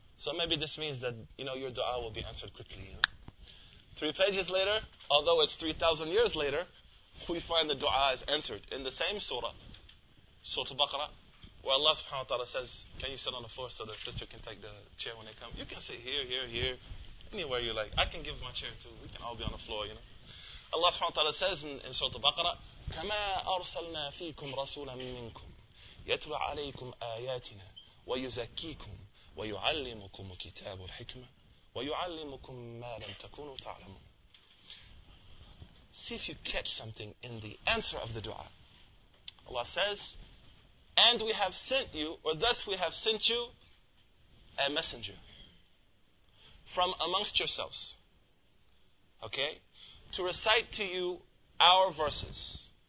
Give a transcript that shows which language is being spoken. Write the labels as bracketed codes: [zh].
[en] So maybe this means that, you know, your dua will be answered quickly. You know? 3 pages later, although it's 3,000 years later, we find the dua is answered in the same surah, Surah Al-Baqarah, where Allah subhanahu wa ta'ala says, can you sit on the floor so the sister can take the chair when they come? You can sit here, here, here, anywhere you like. I can give my chair too. We can all be on the floor, you know. Allah subhanahu wa ta'ala says in Surah Al-Baqarah, [ar] كَمَا أَرْسَلْنَا فِيكُمْ رَسُولًا مِّنْكُمْ يَتْلُ عَلَيْكُمْ آيَاتِنَا وَيُزَكِّيكُمْ وَيُعَلِّمُكُمُ الْكِتَابُ الْحِكْمَةِ وَيُعَلِّمُكُمْ مَا لَمْ تَكُونُوا تَعْلَمُونَ. [en] See if you catch something in the answer of the dua. Allah says, and we have sent you, or thus we have sent you, a messenger from amongst yourselves, okay, to recite to you our verses.